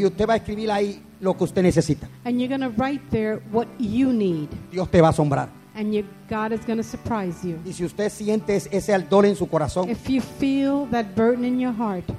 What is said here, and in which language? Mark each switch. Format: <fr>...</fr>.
<es>Y usted va a escribir ahí lo que usted necesita.</es> <en>And you're going to write there what you need.</en> <es>Dios te va a asombrar.</es> <en>And God is going to surprise you.</en> <es>Y si usted siente ese ardor en su corazón,</es> <en>if you feel that burden in your heart,</en>